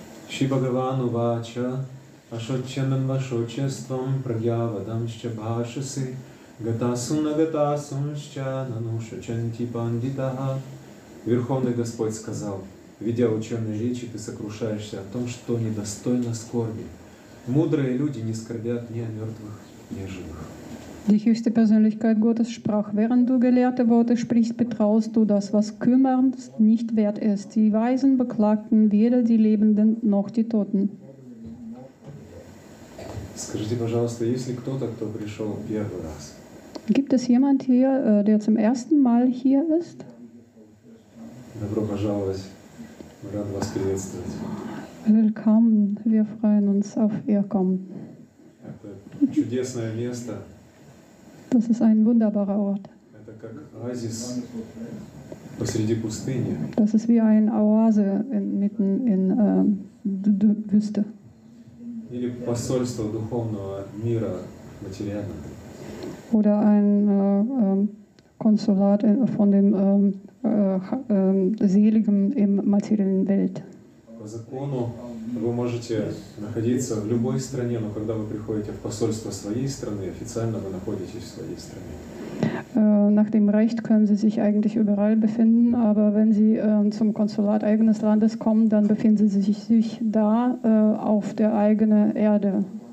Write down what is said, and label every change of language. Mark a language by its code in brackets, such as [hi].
[sa] Шри Бхагаван Увача, Ашотчанан вашочеством, прагьявадам шча бхашаси, гатасуна гатасум шча нанушачанти пандитаха. [ru] Верховный Господь сказал, ведя ученые речи, ты сокрушаешься о том, что недостойно скорби. Мудрые люди не скорбят ни о мертвых, ни о живых. [de] Die höchste Persönlichkeit Gottes sprach, während du gelehrte Worte sprichst, betraust du das, was kümmernd nicht wert ist. Die Weisen beklagten weder die Lebenden noch die Toten. [ru] Скажите, пожалуйста, есть ли кто-то, кто пришел первый раз? [de] Gibt es jemand hier, der zum ersten Mal hier ist? [ru] Добро пожаловать. Рад вас приветствовать. [de] Willkommen. Wir freuen uns auf Ihr Kommen. [ru] Это чудесное место. [de] Das ist ein wunderbarer Ort. [ru] Это как оазис посреди пустыни. [de] Das ist wie ein Oase mitten in der Wüste. [ru] Или посольство духовного мира материального. [de] Oder ein Konsulat von dem Seligen im materiellen Welt. [ru] По закону вы можете находиться в любой стране, но когда вы приходите в посольство своей страны, официально вы находитесь в своей стране. [de] Nach dem Recht können Sie sich eigentlich überall befinden, aber wenn Sie zum Konsulat eigenes Landes kommen, dann befinden Sie sich da auf der eigenen Erde.